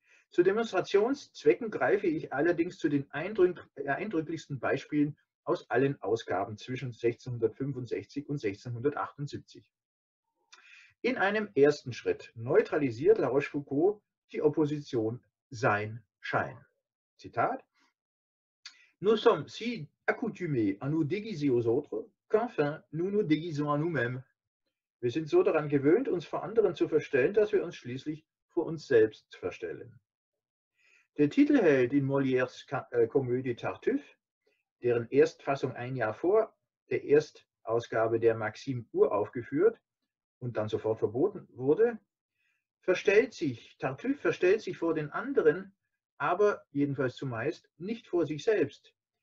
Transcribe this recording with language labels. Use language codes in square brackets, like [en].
[de] Zu Demonstrationszwecken greife ich allerdings zu den eindrücklichsten Beispielen aus allen Ausgaben zwischen 1665 und 1678. In einem ersten Schritt neutralisiert La Rochefoucauld die Opposition Sein-Schein. Zitat: [fr] Nous sommes si accoutumés à nous déguiser aux autres, qu'enfin nous nous déguisons à nous-mêmes. [de] Wir sind so daran gewöhnt, uns vor anderen zu verstellen, dass wir uns schließlich vor uns selbst verstellen. Der Titelheld in Molières Komödie Tartuffe, deren Erstfassung ein Jahr vor der Erstausgabe der Maxime uraufgeführt und dann sofort verboten wurde, Tartuffe verstellt sich vor den anderen, aber jedenfalls zumeist nicht vor sich selbst.